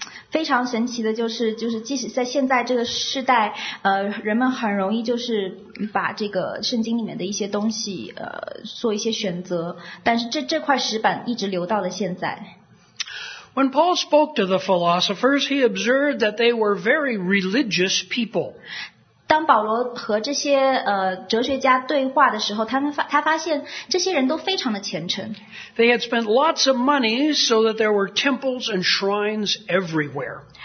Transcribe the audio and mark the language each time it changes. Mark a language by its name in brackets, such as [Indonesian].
[Chinese] 非常神奇的就是即使在现在这个时代人们很容易就是把这个圣经里面的一些东西做一些选择但是这块石板一直留到了现在。 [English] When Paul spoke to the philosophers, he observed that they were very religious people. [Chinese] 当保罗和这些哲学家对话的时候，他发现这些人都非常的虔诚。 [English] They had spent lots of money so that there were temples and shrines everywhere.